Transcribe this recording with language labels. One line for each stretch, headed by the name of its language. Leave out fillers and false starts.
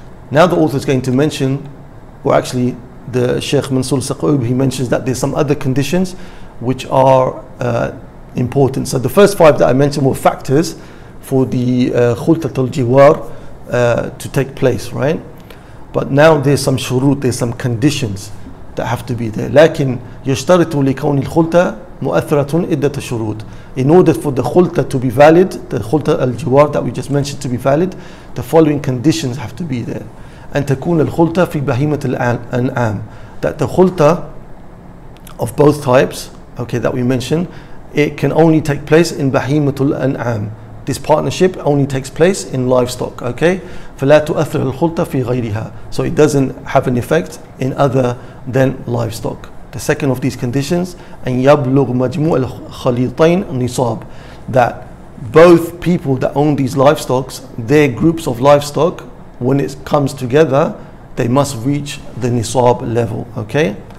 English: Now the author is going to mention, or actually the Sheikh Mansur Saqoub, he mentions that there's some other conditions which are important. So the first five that I mentioned were factors for the khultat al-jiwar to take place, right? But now there's some shurut, there's some conditions that have to be there.
Arabic: لكن يشترط لكون الخلطة مؤثرة إدة شروط.
English: In order for the khulta to be valid, the khulta al-jiwar that we just mentioned to be valid, the following conditions have to be there.
Arabic: أن تكون الخلطة في بهيمة الأنعام.
English: That the khulta of both types, okay, that we mentioned, it can only take place in بهيمة الأنعام. This partnership only takes place in livestock, okay?
Arabic: فلا تؤثر الخلطة في غيرها.
English: So it doesn't have an effect in other than livestock. The second of these conditions,
Arabic: أن يبلغ مجموع الخليطين نصاب,
English: that both people that own these livestock, their groups of livestock, when it comes together, they must reach the nisab level, okay?